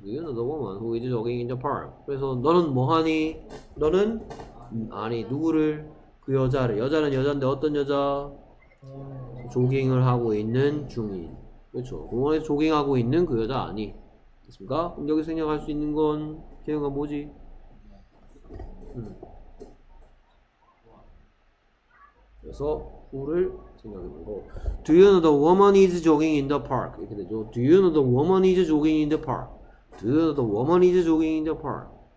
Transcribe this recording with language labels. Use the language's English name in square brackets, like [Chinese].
[English] Do you know the woman who is jogging in the park? [Korean] 그래서 너는 뭐하니? 너는? 아니 누구를? 그 여자를. 여자는 여잔데 어떤 여자? 조깅을 하고 있는 중인. 그렇죠. 공원에서 조깅하고 있는 그 여자 아니. 됐습니까? 그럼 여기 생략할 수 있는 건 개요가 뭐지? 그래서 후를 생략하는 거. [English] Do you know the woman is jogging in the park? [Korean] 이렇게 되죠. [English] Do you know the woman is jogging in the park? Do you know the woman is jogging in the park?